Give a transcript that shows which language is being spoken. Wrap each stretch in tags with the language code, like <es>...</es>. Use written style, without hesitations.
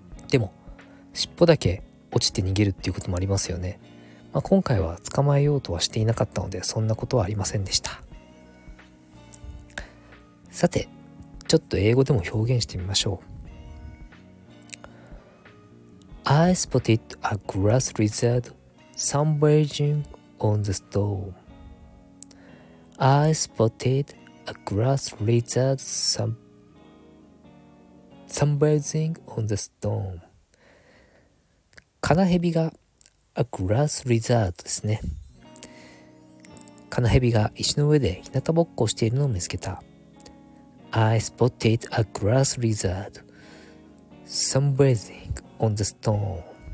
<ja>でも尻尾だけ落ちて逃げるっていうこともありますよね。まあ、今回は捕まえようとはしていなかったので、そんなことはありませんでした。さてちょっと英語でも表現してみましょう。</ja> <en>I spotted a grass lizard sunbathing on the stone. I spotted a grass lizard sunbathing on the stone.</en> <ja>カナヘビが a grass lizard ですね。カナヘビが石の上で日向ぼっこをしているのを見つけた。</ja> <en>I spotted a grass lizard sunbathing on the stone.</en>